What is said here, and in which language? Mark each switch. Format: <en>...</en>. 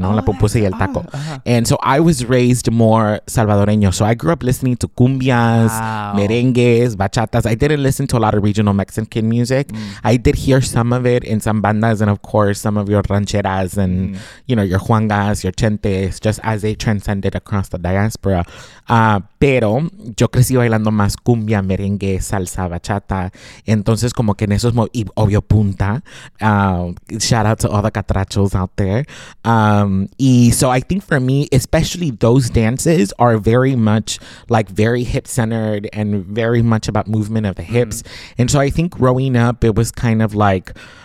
<es>No, la pupusa y el taco.</es> <en>And so I was raised more salvadoreño. So I grew up listening to cumbias, merengues, bachatas. I didn't listen to a lot of regional Mexican music. I did hear some of it in some bandas, and of course, some of your rancheras and, you know, your juangas, your chentes, just as they transcended across the diaspora.</en> <es>Pero yo crecí bailando más cumbia, merengue, salsa, bachata. Entonces, como que en esos y obvio punta.</es> <en>Shout out to all the catrachos out there. Y so I think for me, especially those dances are very much like very hip-centered and very much about movement of the hips. And so I think growing up, it was kind of like...</en>